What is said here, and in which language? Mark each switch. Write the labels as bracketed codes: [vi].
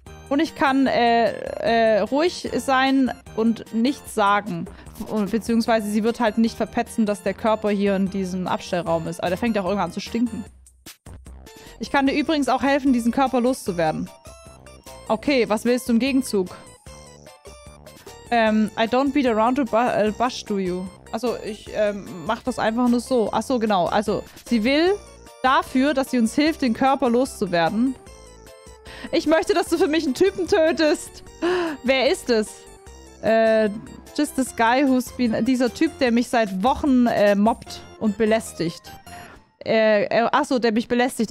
[de] Und ich kann ruhig sein und nichts sagen. Beziehungsweise sie wird halt nicht verpetzen, dass der Körper hier in diesem Abstellraum ist. Aber der fängt auch irgendwann an zu stinken. Ich kann dir übrigens auch helfen, diesen Körper loszuwerden. Okay, was willst du im Gegenzug? [en] I don't beat around to bash to you. [de] Also ich mach das einfach nur so. Ach so, genau. Also sie will dafür, dass sie uns hilft, den Körper loszuwerden. Ich möchte, dass du für mich einen Typen tötest. Wer ist es? Just this guy who's been... Dieser Typ, der mich seit Wochen mobbt und belästigt. Achso, der mich belästigt.